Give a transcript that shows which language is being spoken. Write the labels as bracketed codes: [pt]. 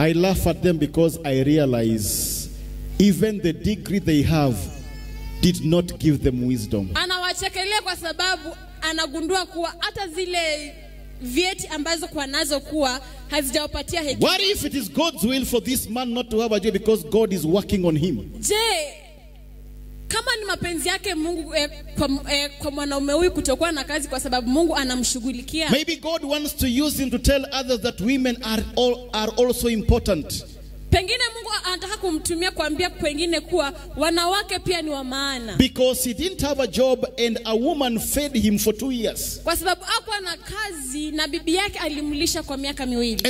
[en] I laugh at them because I realize even the degree they have did not give them wisdom. [sw] Anawachekelea kwa sababu anagundua kuwa hata zile vieti ambazo kwa nazo kuwa hazijawapatia hekima. [en] What if it is God's will for this man not to have a job because God is working on him? [sw] Je, kama ni mapenzi yake Mungu kwa mwanaume huyu kutokuwa na kazi kwa sababu Mungu anamshughulikia. [en] Maybe God wants to use him to tell others that women are also important. [sw] Pengine Mungu anataka kumtumia kuambia wengine kuwa wanawake pia ni wa maana. [en] Because he didn't have a job and a woman fed him for 2 years. [sw] Kwa sababu hakuwa na kazi na bibi yake alimlisha kwa miaka miwili.